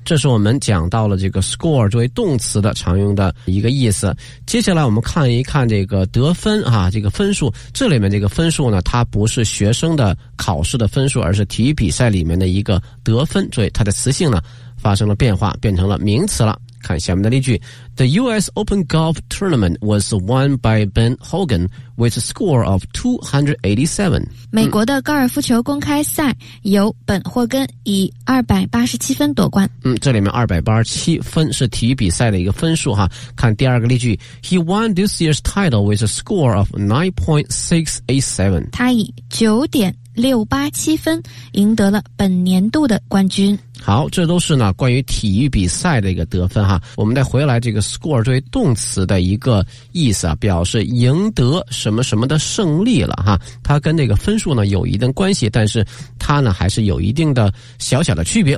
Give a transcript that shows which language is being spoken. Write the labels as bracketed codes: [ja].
[zh] 这是我们讲到了这个 score 作为动词的常用的一个意思。接下来我们看一看这个得分啊，这个分数，这里面这个分数呢，它不是学生的考试的分数，而是体育比赛里面的一个得分，所以它的词性呢发生了变化，变成了名词了。 [en] 看下面的例句， The US Open Golf Tournament was won by Ben Hogan with a score of 287。 [zh] 美国的高尔夫球公开赛由本霍根以287分夺冠。这里面287分是体育比赛的一个分数哈。 [en] 看第二个例句， He won this year's title with a score of 9.687。 [zh] 他以9.687分赢得了本年度的冠军。好，这都是呢关于体育比赛的一个得分哈。我们再回来这个 score 作为动词的一个意思啊，表示赢得什么什么的胜利了哈。它跟这个分数呢有一定关系，但是它呢还是有一定的小小的区别。